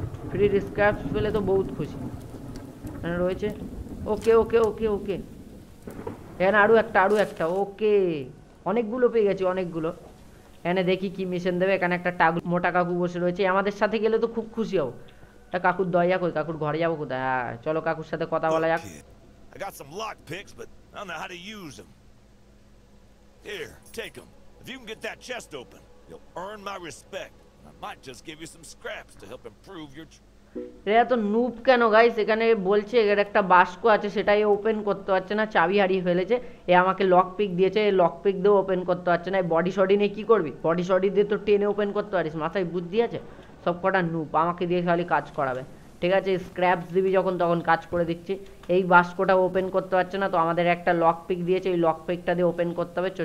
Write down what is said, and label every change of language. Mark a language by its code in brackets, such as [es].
[bn] ফ্রির scraps পেলে তো বহুত খুশি। কেন রয়েছে? ওকে ওকে ওকে ওকে, এখানে আরও একটা আরও একটা, ওকে অনেকগুলো পেয়ে গেছি অনেকগুলো। এখানে দেখি কি মিশন দেবে। এখানে একটা টাক মোটা কাকু বসে রয়েছে, আমাদের সাথে গেলে তো খুব খুশি হবো। তা কাকুর দয়া কই, কাকুর ঘরে যাবো কোথায়? হ্যাঁ চলো কাকুর সাথে কথা বলা যাক। [en] I got some lock picks but I don't know how to use them. Here, take them. If you can get that chest open, you'll earn my respect. I might just give you some scraps to help improve your [bn] রে এত noob কেন guys? এখানে বলছে এর একটা বাস্ক আছে, সেটাই ওপেন করতে পারছে না, চাবি হারিয়ে ফেলেছে। এ আমাকে লক পিক দিয়েছে, এই লক পিক দিয়ে ওপেন করতে পারছে না। এই বডি শডি নিয়ে কী করবি? বডি শডি দিয়ে তো টেনে ওপেন করতে পারিস, মাথায় বুদ্ধি আছে? সব কটা নুপ, আমাকে দিয়ে খালি কাজ করাবে। ঠিক আছে স্ক্র্যাপস দিবি যখন তখন কাজ করে দিচ্ছি। এই বাস্কটা ওপেন করতে পারছে না, তো আমাদের একটা লক পিক দিয়েছে, এই লক পিকটা দিয়ে ওপেন করতে হবে।